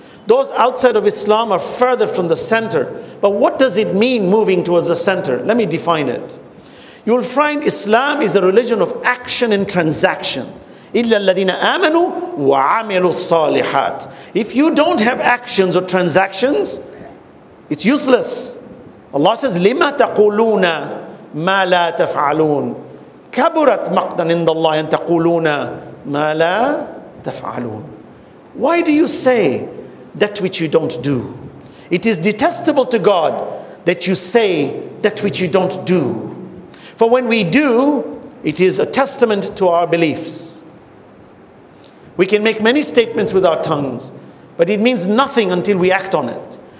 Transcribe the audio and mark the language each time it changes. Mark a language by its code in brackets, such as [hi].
[en] Those outside of Islam are further from the center. But what does it mean moving towards the center? Let me define it. You will find Islam is the religion of action and transaction. [ar] إِلَّا الَّذِينَ آمَنُوا وَعَمِلُوا الصَّالِحَاتِ. [en] If you don't have actions or transactions, it's useless. [ar] Allah says, لِمَا تَقُولُونَ مَا لَا تَفْعَلُونَ كَبُرَتْ مَقْدًا إِنْدَ اللَّهِ تَقُولُونَ مَا لَا تَفْعَلُونَ. [en] Why do you say that which you don't do? It is detestable to God that you say that which you don't do. For when we do, it is a testament to our beliefs. We can make many statements with our tongues, but it means nothing until we act on it.